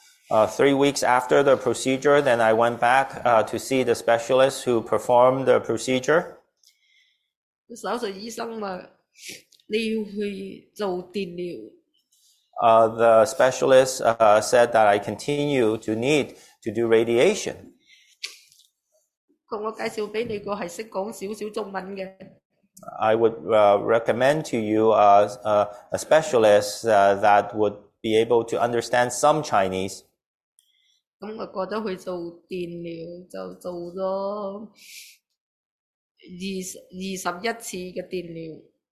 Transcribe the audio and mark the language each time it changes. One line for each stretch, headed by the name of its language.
English: 3 weeks after the procedure, then I went back to see the specialist who performed the procedure.
Cantonese: 手术医生嘛。你要去做电疗。
English: The specialist said that I continue to need to do radiation.
Cantonese: 我介紹俾你個係識講少少中文嘅。
English: I would recommend to you a specialist that would be able to understand some Chinese.
Cantonese: 咁我過咗去做電療，就做咗21次嘅電療。